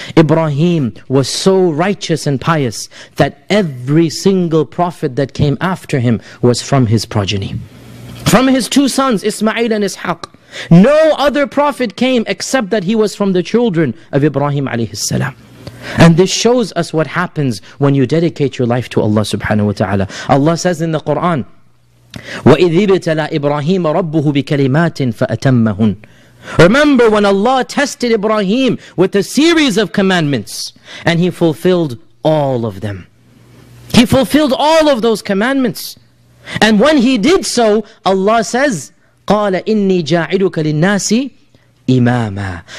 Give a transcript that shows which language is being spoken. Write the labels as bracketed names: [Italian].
[English] Ibrahim was so righteous and pious that every single prophet that came after him was from his progeny, from his two sons, Ismail and Ishaq. No other prophet came except that he was from the children of Ibrahim alaihi salam. And this shows us what happens when you dedicate your life to Allah subhanahu wa ta'ala. Allah says in the Quran, [Arabic] وَإِذِ ابْتَلَى إِبْرَاهِيمَ رَبُّهُ بِكَلِمَاتٍ فَأَتَمَّهُنَّ. [English] Remember when Allah tested Ibrahim with a series of commandments, and he fulfilled all of them. He fulfilled all of those commandments. And when he did so, Allah says, [Arabic] قَالَ إِنِّي جَاعِلُكَ لِلنَّاسِ إِمَامًا.